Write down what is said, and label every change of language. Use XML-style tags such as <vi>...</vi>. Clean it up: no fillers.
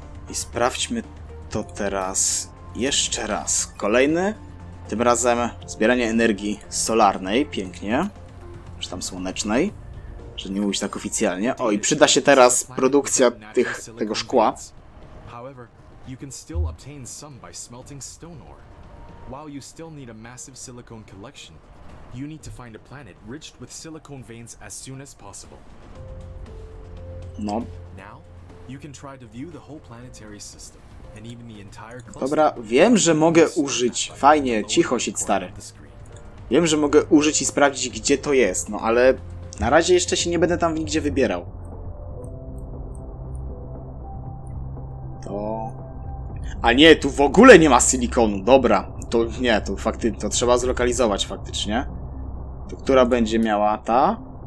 <pl>I sprawdźmy to teraz jeszcze raz. Kolejny, tym razem zbieranie energii solarnej, pięknie. Czy tam słonecznej, że nie mówić tak oficjalnie. O, i przyda się teraz produkcja tego szkła.</pl> <en>However, you can still obtain some by smelting stone ore. While you still need a massive silicone collection, you need to find a planet rich with silicone veins as soon as possible. No. Now, you can try to view the whole planetary system and even the entire cluster.</en> <pl>Dobra, wiem, że mogę użyć. Fajnie, cicho się, stary. Wiem, że mogę użyć i sprawdzić, gdzie to jest, no ale na razie jeszcze się nie będę tam nigdzie wybierał. To... A nie, tu w ogóle nie ma silikonu, dobra. To nie, to faktycznie, to trzeba zlokalizować faktycznie. To która będzie miała ta?</pl>